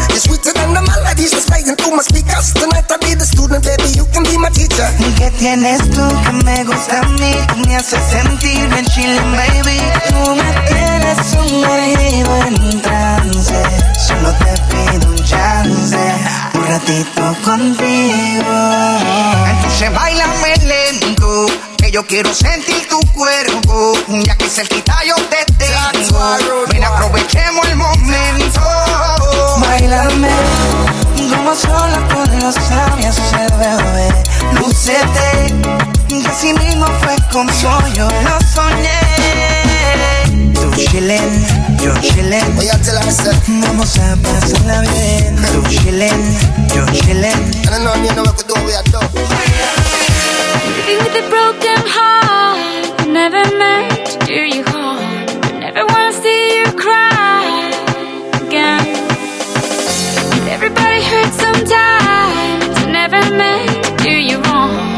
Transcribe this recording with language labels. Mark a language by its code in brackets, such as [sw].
[en] You're sweeter than the melodies that's playing through my speakers. Tonight I'll be the student, baby, you can be my teacher. [es] ¿Y qué tienes tú que me gusta a mí? Que me hace sentir bien [en] chillin', baby. [es] Tú me tienes sumergido en trance. Solo te pido un chance, un ratito contigo. Entonces báilame lento, yo quiero sentir tu cuerpo. Ya que cerquita yo te tengo, ven aprovechemos el momento. Báilame como solo con los labios se bebe. Lúcete, que así mismo fue con sueño, lo soñé. Tú chilen, yo chilen, vamos a pasarla bien. Tú chilen, yo chilen. [en] With a broken heart, I never meant to do you harm. I never wanna see you cry again. And everybody hurts sometimes. I never meant to do you wrong.